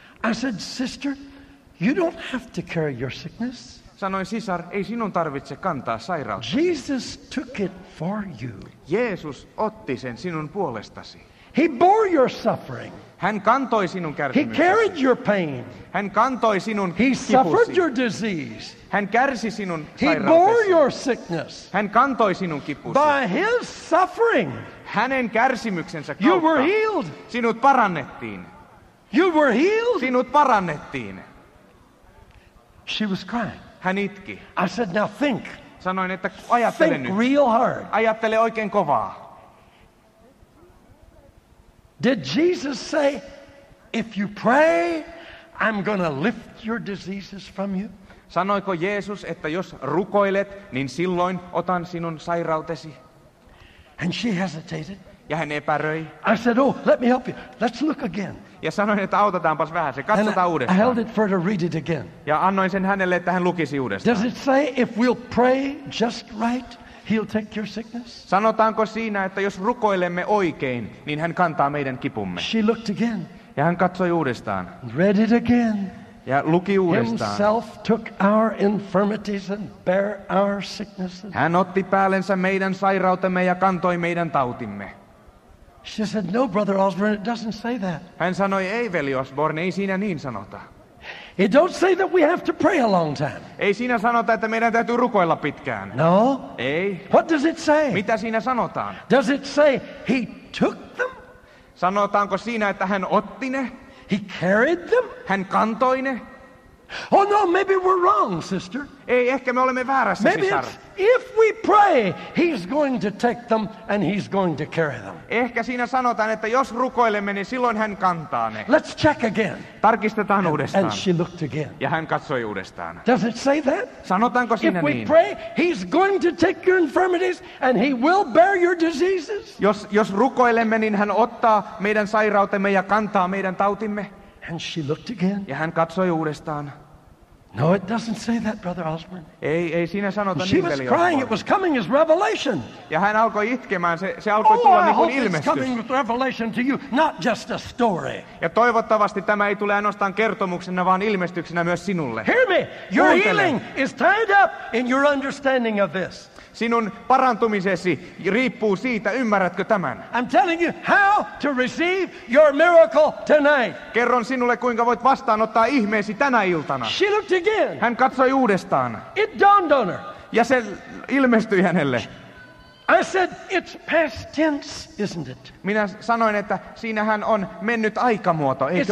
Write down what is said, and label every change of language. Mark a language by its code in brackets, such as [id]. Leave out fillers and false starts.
[en] I said, sister, you don't have to carry your sickness. [fi] Sanoin, sisar, ei sinun tarvitse kantaa sairautta. [en] Jesus took it for you. [fi] Jeesus otti sen sinun puolestasi. [en] He bore your suffering. [fi] Hän kantoi sinun kärsimyksesi. [en] He carried your pain. [fi] Hän kantoi sinun [en] He [fi] kipusi. [en] Suffered your disease. [fi] Hän kärsi sinun [en] He bore your sickness. [fi] Hän kantoi sinun kipusi. [en] By his suffering. [fi] Hänen kärsimyksensä kautta. [en] You were healed. [fi] Sinut parannettiin. [en] You were healed. [fi] Sinut parannettiin. [en] She was crying. [fi] Hän itki. [en] I said, now think. [fi] Sanoin, että ajattele [en] think [fi] nyt. [en] Think real hard. [fi] Ajattele oikein kovaa. [en] Did Jesus say, if you pray, I'm going to lift your diseases from you? [fi] Sanoiko Jeesus, että jos rukoilet, niin silloin otan sinun sairautesi? [en] And she hesitated. [fi] Ja hän epäröi. [en] I said, oh, let me help you. Let's look again. [fi] Ja sanoin, että autetaanpas vähän se. Katsotaan uudestaan. [en] I held it for her to read it again. [fi] Ja annoin sen hänelle, että hän lukisi uudestaan. [en] Does it say, if we'll pray just right? He'll take your sickness. [fi] Sanotaanko siinä, että jos rukoilemme oikein, niin hän kantaa meidän kipumme. [en] She looked again. [fi] Ja hän katsoi uudestaan. [en] Read it again. [fi] Ja luki uudestaan. [en] Himself took our infirmities and bare our sicknesses. [fi] Hän otti päällensä meidän sairautemme ja kantoi meidän tautimme. [en] She said, "No, brother Osborne, it doesn't say that." [fi] Hän sanoi, ei veli Osborne, ei siinä niin sanota. [en] It don't say that we have to pray a long time. [fi] Ei siinä sanota, että meidän täytyy rukoilla pitkään. [en] No. [fi] Ei. [en] What does it say? [fi] Mitä siinä sanotaan? [en] Does it say he took them? [fi] Sanotaanko siinä, että hän otti ne? [en] He carried them? [fi] Hän kantoi ne? [en] Oh no, maybe we're wrong, sister. [fi] Ei, ehkä me olemme väärässä, [en] maybe [fi] sisar. [en] If we pray, he's going to take them and he's going to carry them. [fi] Ehkä siinä sanotaan, että jos rukoilemme, niin silloin hän kantaa ne. [en] Let's check again. [fi] Tarkistetaan uudestaan. [en] And she looked again. [fi] Ja hän katsoi uudestaan. [en] Does it say that? [fi] Sanotaanko siinä niin? [en] If we pray, he's going to take your infirmities and he will bear your diseases. [fi] Jos rukoilemme, niin hän ottaa meidän sairautemme ja kantaa meidän tautimme. [en] And she looked again. [fi] Ja hän katsoi uudestaan. [en] No, it doesn't say that, Brother Osborne. [fi] Ei siinä sanota niin, veli. [en] She was crying. It was coming as revelation. [fi] Ja hän alkoi itkemään. Se alkoi tulla niin kuin ilmestys. [en] It's coming as revelation to you, not just a story. [fi] Ja toivottavasti tämä ei tule ainoastaan kertomuksena, vaan ilmestyksenä myös sinulle. [en] Hear me. Your healing is tied up in your understanding of this. [fi] Sinun parantumisesi riippuu siitä, ymmärrätkö tämän. [en] I'm telling you how to receive your miracle tonight. [fi] Kerron sinulle, kuinka voit vastaanottaa ihmeesi tänä iltana. [en] She looked again. [fi] Hän katsoi uudestaan. [en] It dawned on her. [fi] Ja se ilmestyi hänelle. [en] I said, it's past tense, isn't it? [fi] Minä sanoin, että siinähän on mennyt aikamuoto, eikö